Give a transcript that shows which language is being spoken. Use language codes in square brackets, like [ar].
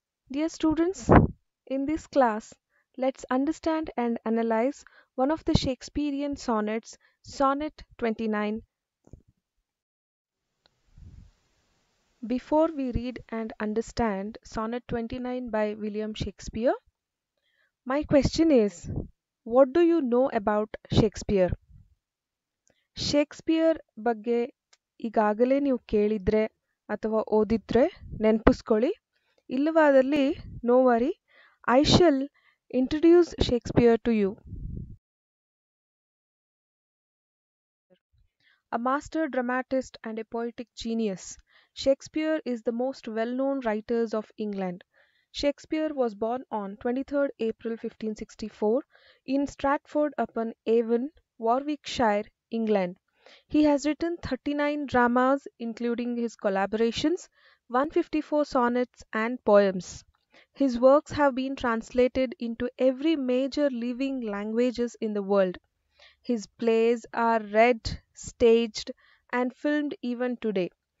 [en] Dear students, in this class, let's understand and analyze one of the Shakespearean sonnets, Sonnet 29. Before we read and understand Sonnet 29 by William Shakespeare, my question is, what do you know about Shakespeare? [kn] Shakespeare ಬಗ್ಗೆ ಈಗಾಗಲೇ ನೀವು ಕೇಳಿದ್ರೆ ಅಥವಾ ಓದಿದ್ರೆ ನೆನಪಿಸ್ಕೊಳ್ಳಿ, ಇಲ್ಲವಾದಲ್ಲಿ [en] No worry, I shall introduce Shakespeare to you. A master dramatist and a poetic genius, Shakespeare is the most well known writers of England. Shakespeare was born on 23rd April 1564 in Stratford upon Avon, Warwickshire, England. He has written 39 dramas including his collaborations, 154 sonnets and poems. His works have been translated into every major living languages in the world. His plays are read, staged and filmed even today.